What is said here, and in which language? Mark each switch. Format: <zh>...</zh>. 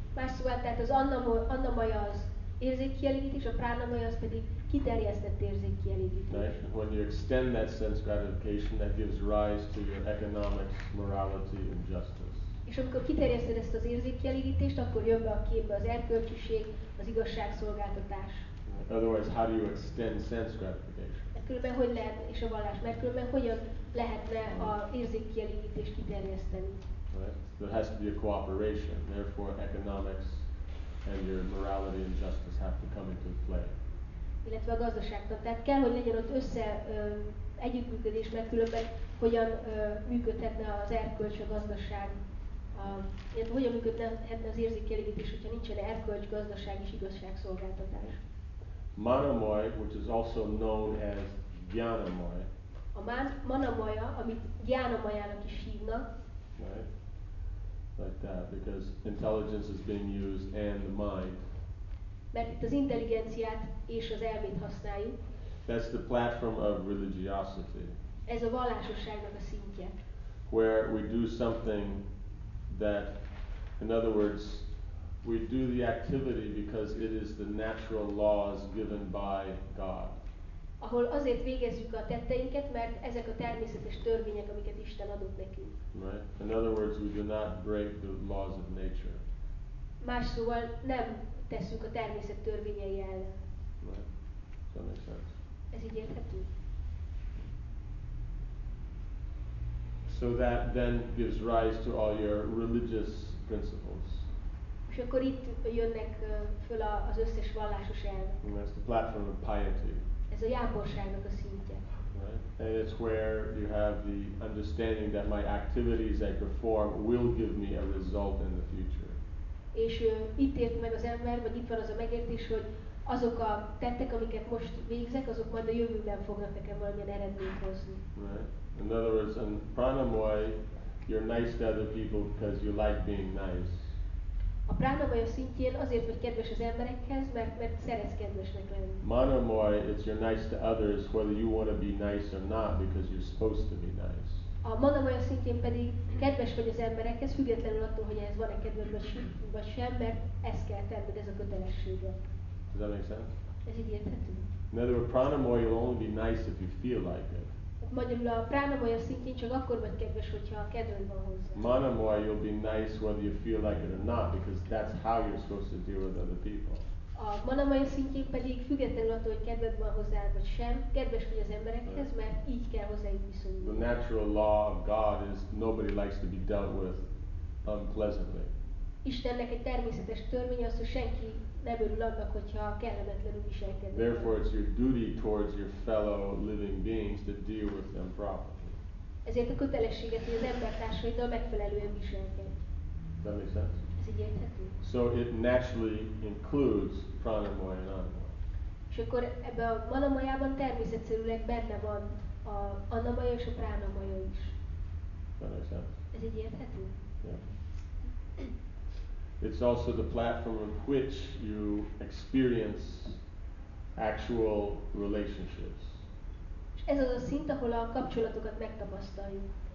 <hu>Más szóval, tehát az anamoya az érzékkielégítés, a pranamoya az pedig kiterjesztett érzékkielégítés.</hu> <en>Right. When you extend that sense gratification, that gives rise to your economics, morality and justice.</en> <hu>És amikor kiterjeszted ezt az érzékkielégítést, akkor jön be a képbe az erkölcsiség, az igazságszolgáltatás.</hu> <en>Otherwise, how do you extend sense gratification?</en> <hu>Különben hogy lehet, és a vallás, mert különben hogyan lehetne az érzékkielégítést kiterjeszteni?</hu> <en>Right. There has to be a cooperation, therefore economics and your morality and justice have to come into play.</en> <hu>Illetve a gazdaságtan. Tehát kell, hogy legyen ott össze együttműködés, mert különben hogyan működhetne az erkölcs, a gazdaság. Illetve hogyan működhetne az érzékkielégítés, hogyha nincsen erkölcs, gazdaság és igazságszolgáltatás.</hu> <en>Manamoy, which is also known as Gyanamoy.</en> <hu>A manamoya, amit Gyanamoyának is hívnak.</hu> <en>Right. Like that, because intelligence is being used and the mind.</en> <hu>Mert itt az intelligenciát és az elmét használjuk.</hu> <en>That's the platform of religiosity.</en> <hu>Ez a vallásosságnak a szintje.</hu> <en>Where we do something that, in other words, we do the activity because it is the natural laws given by God.</en> <hu>Ahol azért végezzük a tetteinket, mert ezek a természetes törvények, amiket Isten adott nekünk.</hu> <en>Right. In other words, we do not break the laws of nature.</en> <hu>Más szóval nem tesszük a természet törvényei ellen.</hu> <en>Right. Does that make sense?</en> <hu>Ez így érthető?</hu> <en>So that then gives rise to all your religious principles.</en> <hu>És akkor itt jönnek föl az összes vallásos elv.</hu> <en>And that's the platform of piety.</en> <hu>Ez a jámborságnak a szintje.</hu> <en>Right? And it's where you have the understanding that my activities I perform will give me a result in the future.</en> <hu>És itt ért meg az ember, vagy itt van az a megértés, hogy azok a tettek, amiket most végzek, azok majd a jövőben fognak nekem valamilyen eredményt hozni.</hu> <en>Right? In other words, in pranamoy, you're nice to other people because you like being nice.</en> <hu>A pranamoya szintjén azért vagy kedves az emberekhez, mert szeretsz kedvesnek lenni.</hu> <en>Manamoy, it's you're nice to others whether you want to be nice or not because you're supposed to be nice.</en> <hu>A manamoya szintjén pedig kedves vagy az emberekhez, függetlenül attól, hogy ez van-e kedved vagy sem, mert ezt kell tenned, ez a kötelessége.</hu> <en>Does that make sense?</en> <hu>Ez így érthető.</hu> <en>In other words, pranamoya will only be nice if you feel like it.</en> <hu>Magyarul a pranamoya szintjén csak akkor vagy kedves, hogyha a kedved van hozzá.</hu> <en>Manamoya, you'll be nice whether you feel like it or not, because that's how you're supposed to deal with other people.</en> <hu>A manamoya szintjén pedig függetlenül attól, hogy kedved van hozzá vagy sem, kedves vagy az emberekhez, mert így kell hozzájuk viszonyulni.</hu> <en>The natural law of God is nobody likes to be dealt with unpleasantly.</en> <hu>Istennek egy természetes törvény az, hogy senki nem örül annak, hogyha kellemetlenül viselkedik.</hu> <en>Therefore, it's your duty towards your fellow living beings to deal with them properly.</en> <hu>Ezért a kötelességet, hogy az embertársaiddal megfelelően viselkedj.</hu> <en>That makes sense?</en> <hu>Ez így érthető?</hu> <en>So it naturally includes pranamoya and anamoya.</en> <hu>És akkor ebben a manamayában természetszerűleg benne van a anamaya és a pranamaya is.</hu> <en>That makes sense?</en> <hu>Ez így érthető?</hu> <en>Yeah. It's also the platform on which you experience actual relationships.</en> <hu>És ez az a szint, ahol a kapcsolatokat megtapasztaljuk.</hu>